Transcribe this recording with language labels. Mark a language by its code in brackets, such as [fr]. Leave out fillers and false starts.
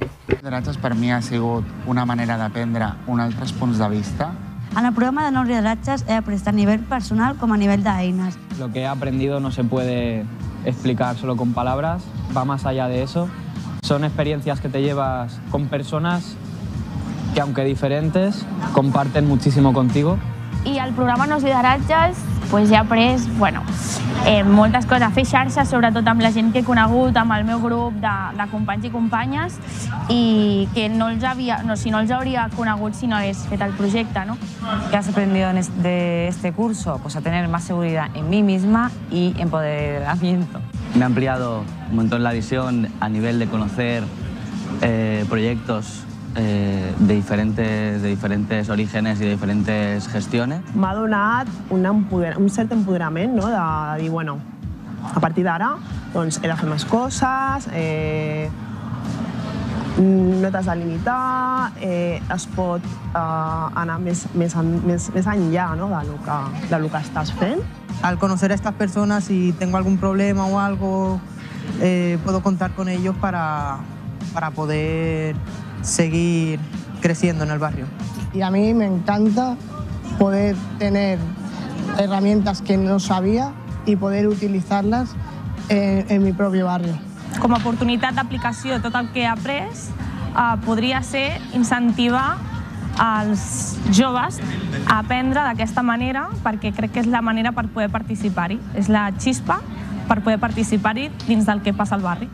[ca] Els lideratges per mi ha sigut una manera d'aprendre uns altres punts de vista. En el programa de nous lideratges he après tant a nivell personal com a nivell d'eines. [es] Lo que he aprendido no se puede explicar solo con palabras, va más allá de eso. Son experiencias que te llevas con personas que, aunque diferentes, comparten muchísimo contigo. [ca] I al programa Nous Lideratges pues he après, bueno, moltes coses, a fer xarxes, sobretot amb la gent que he conegut, amb el meu grup de companys i companyes, i que no els havia, no, si no els hauria conegut si no hagués fet el projecte, no? [es] ¿Qué has aprendido de este curso? Pues a tener más seguridad en mí misma y empoderamiento. Me ha ampliado un montón la visión a nivel de conocer proyectos de diferentes orígenes [ca] i de diferents gestions. M'ha donat un cert empoderament, no? De dir, bueno, a partir d'ara doncs he de fer més coses, no t'has de limitar, es pot anar més enllà, no? de lo que estàs fent. [es] Al conocer a estas personas, si tengo algún problema o algo, puedo contar con ellos para poder seguir creciendo en el barrio. Y a mí me encanta poder tener herramientas que no sabía y poder utilizarlas en mi propio barrio. Como oportunidad de aplicación de todo [ca] el que he après, podría ser incentivar als joves a aprendre d'aquesta manera, perquè crec que és la manera per poder participar-hi. És la xispa per poder participar-hi dins del que passa al barri.